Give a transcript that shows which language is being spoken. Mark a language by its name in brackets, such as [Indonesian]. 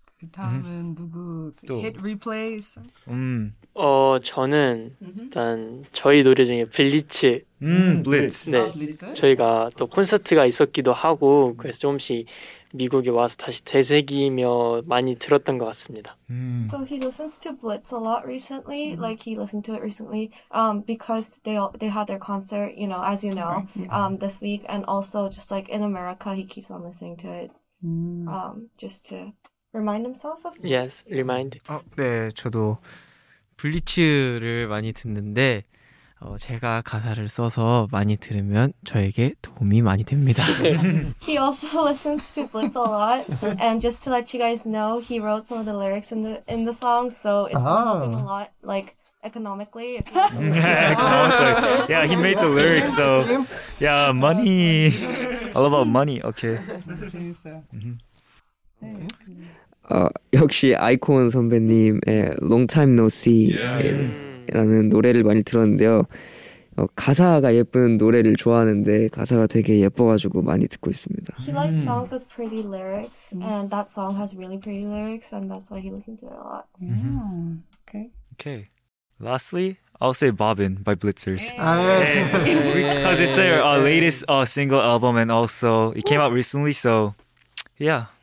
[Korean] 다음은 누구? [English] Hit replays. [Korean] 저는 일단 저희 노래 중에 블리츠. [English] Blitz. [Korean] 네. 저희가 또 콘서트가 있었기도 하고 그래서 조금씩 미국에 와서 다시 되새기며 많이 들었던 것 같습니다. [English] So he listens to Blitz a lot recently. Like he listened to it recently because they had their concert, you know, as you know, this week and also just like in America he keeps on listening to it. Just to remind himself of it. Yes, remind. [Korean] 네, 저도 블리츠를 많이 듣는데 제가 가사를 써서 많이 들으면 저에게 도움이 많이 됩니다. [English] He also listens to Blitz a lot. And just to let you guys know, he wrote some of the lyrics in the song, so it's helping a lot, like, economically. Yeah, he made the lyrics, so... Yeah, money! All about money, okay. [Korean] 역시 아이콘 선배님의 Long Time No See. Yeah. 라는 노래를 많이 들었는데요. 가사가 예쁜 노래를 좋아하는데 가사가 되게 예뻐가지고 많이 듣고 있습니다. [English] He likes songs with pretty lyrics, and that song has really pretty lyrics, and that's why he listens to it a lot. Yeah. Okay. Lastly, I'll say Bobbin by Blitzers. Because it's their latest single album, and also it came out recently, so yeah.